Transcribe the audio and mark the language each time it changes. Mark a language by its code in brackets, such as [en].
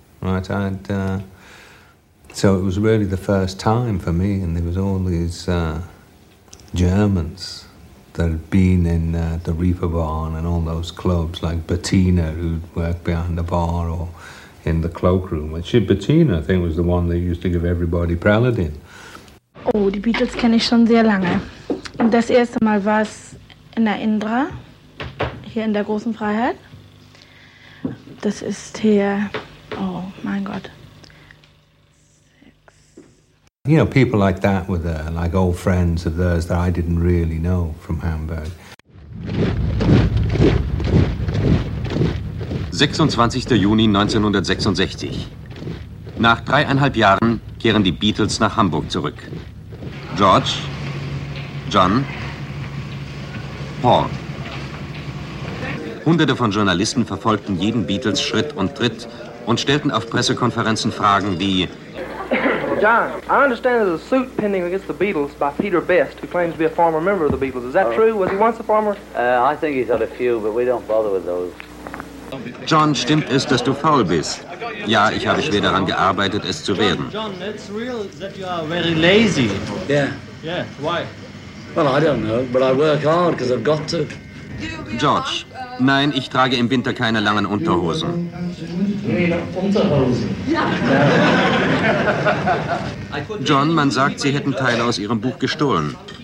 [en] Right, so it was really the first time for me, and there was all these Germans that had been in the Reeper Barn and all those clubs, like Bettina, who'd worked behind the bar or in the cloakroom, which Bettina, I think, was the one that used to give everybody Preludin. [de] Oh, die Beatles kenne ich schon sehr lange. Das erste Mal war es in der Indra, hier in der Großen Freiheit. Das ist hier, oh mein Gott. [en] You know, people like that were there, like old friends of theirs that I didn't really know from Hamburg. [de] 26. Juni 1966. Nach 3,5 Jahren kehren die Beatles nach Hamburg zurück. George, John, Paul. Hunderte von Journalisten verfolgten jeden Beatles Schritt und Tritt und stellten auf Pressekonferenzen Fragen wie: [en] John, I understand there's a suit pending against the Beatles by Peter Best, who claims to be a former member of the Beatles. Is that true? Was he once a former? I think he's had a few, but we don't bother with those. [de] John, stimmt es, dass du faul bist? Ja, ich habe schwer daran gearbeitet, es zu werden. [en] John, it's real that you are very lazy. Yeah. Yeah, why? Well, I don't know, but I work hard, because I've got to. [de] George, nein, ich trage im Winter keine langen Unterhosen. John, man sagt, Sie hätten Teile aus Ihrem Buch gestohlen.